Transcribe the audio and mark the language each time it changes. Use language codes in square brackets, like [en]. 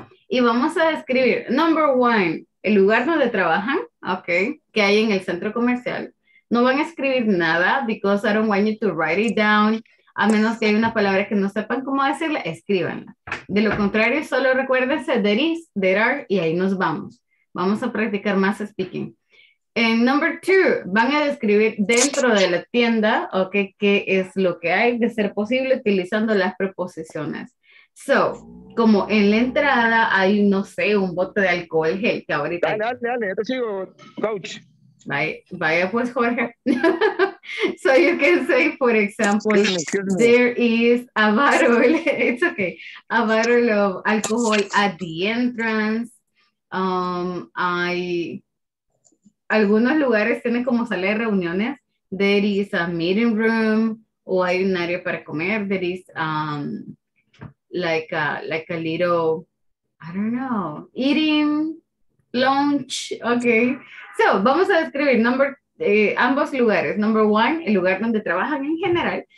[es] Y vamos a escribir, number one, el lugar donde trabajan, ok, que hay en el centro comercial. No van a escribir nada [en] because I don't want you to write it down. [es] A menos que hay una palabra que no sepan cómo decirla, escríbanla. De lo contrario, solo recuérdense, [en] there is, there are, [es] y ahí nos vamos. Vamos a practicar más speaking. En number two, van a describir dentro de la tienda, ok, qué es lo que hay de ser posible utilizando las preposiciones. So, como en la entrada hay, no sé, un bote de alcohol gel que ahorita... Dale, dale, dale, yo te sigo, coach. Vaya pues, Jorge. [en] So you can say, for example, there is a bottle, it's okay, a bottle of alcohol at the entrance. [es] Hay algunos lugares tienen como sala de reuniones. [en] There is a meeting room, [es] o hay un área para comer. [en] There is... like a little, I don't know, eating, lunch, okay. [es] So, vamos a describir number, ambos lugares. Number one, el lugar donde trabajan en general.